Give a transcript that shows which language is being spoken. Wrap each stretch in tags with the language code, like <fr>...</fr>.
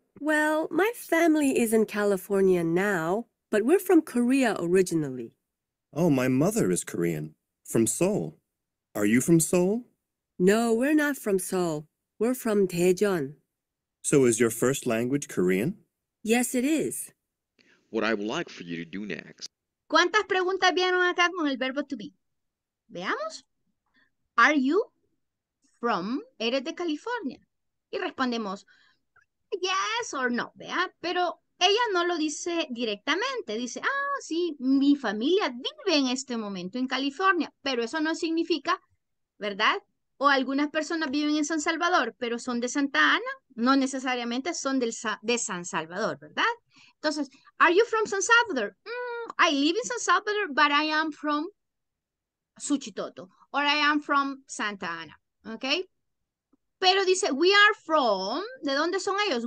<en>Well, my family is in California now, but we're from Korea originally. Oh, my mother is Korean, from Seoul. Are you from Seoul? No, we're not from Seoul. We're from Daejeon. So is your first language Korean? Yes, it is. What I would like for you to do next.</en> <es>¿Cuántas preguntas vieron acá con el verbo to be? Veamos.</es> <en>Are you from?</en> <es>¿Eres de California? Y respondemos</es> <en>yes or no,</en> <es>¿vea? Pero ella no lo dice directamente. Dice, ah, sí, mi familia vive en este momento en California. Pero eso no significa, ¿verdad? O algunas personas viven en San Salvador, pero son de Santa Ana. No necesariamente son de San Salvador, ¿verdad? Entonces,</es> <en>are you from San Salvador? I live in San Salvador, but I am from Suchitoto. Or I am from Santa Ana, ¿ok?</en> <es>Pero dice,</es> <en>we are from,</en> <es>¿de dónde son ellos?</es>